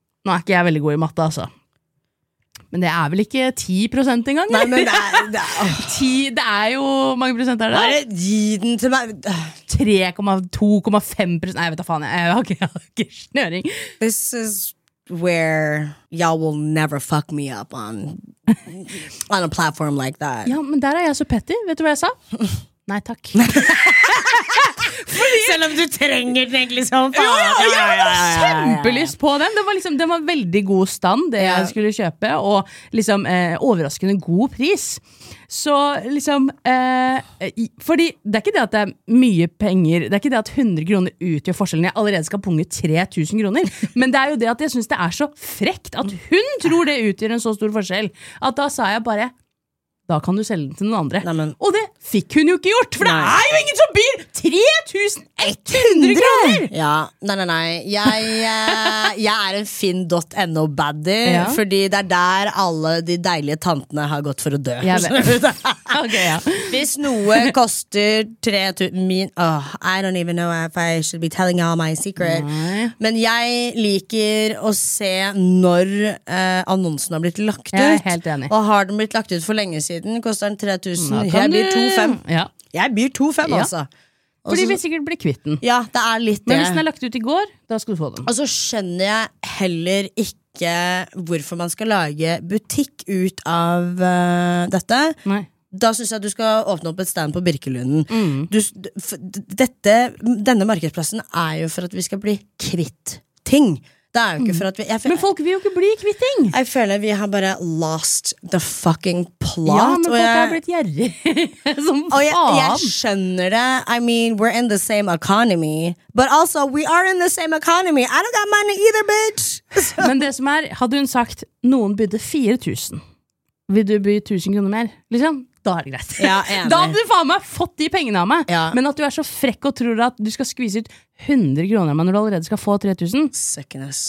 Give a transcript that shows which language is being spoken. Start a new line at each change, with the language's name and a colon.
Norwegian: Nå ikke jeg veldig god i matte, altså. Men det vel ikke 10% engang? Nei, men det det er jo, mange prosent er det? Bare gi den til meg. 3,2,5%. Nei, vet du faen, jeg har ikke snøring.
English: This is... where y'all will never fuck me up on a platform like that.
Norwegian: Ja, men der jeg så petty. Vet du hva jeg sa? Nei, takk. Fordi... Selv om du trenger den egentlig sånn. Ja, jeg hadde kjempelyst på den. Det var liksom, det var veldig god stand det jeg skulle kjøpe, og liksom overraskende god pris. Så liksom, fordi det er ikke det at det er mye penger, det er ikke det at 100 kroner utgjør forskjellen, jeg allerede skal punge 3000 kroner, men det er jo det at jeg synes det er så frekt at hun tror det utgjør en så stor forskjell, at da sa jeg bare, da kan du selge den til noen andre. Nei, men, og det fikk hun jo ikke gjort, for det er jo ingen som byr 3100 kroner. Ja, nei, nei, nei. Jeg er en finn.no baddie, ja. Fordi det er der alle de deilige tantene har gått for å dø. Jeg vet. Okay, ja. Hvis noe koster 3000,
English: I don't even know if I should be telling all my secret.
Norwegian: Nei. Men jeg liker å se når annonsen har blitt lagt ut. Jeg er helt enig. Og har den blitt lagt ut for lenge siden, koster den 3000. Jeg byr 2500. Ja. Jeg byr 2500 altså. Fordi vi sikkert blir kvitten. Ja, det er litt det. Men hvis den lagt ut i går, da skal du få den. Og så skjønner jeg heller ikke hvorfor man skal lage butikk ut av dette. Nei. Da synes jeg at du skal åpne opp et stand på Birkelunden. Mm. Denne markedsplassen er jo for at vi skal bli kvitt ting. Det er jo ikke for at vi... Men folk vil jo ikke bli kvitt ting. Jeg føler vi har bare
English: lost the fucking plot.
Norwegian: Ja, men folk har blitt gjerrig. Som og jeg skjønner det.
English: I mean, we're in the same economy. But also, we are in the same economy. I don't got money either, bitch.
Norwegian: Men det som er, hadde hun sagt, noen bydde 4000. Vil du by 1000 kroner mer? Liksom? Da er det greit. Ja, da hadde du faen meg fått de pengene av meg. Ja. Men at du er så frekk og tror at du skal skvise ut 100 kroner av meg når du allerede skal få 3000. Søkkenes.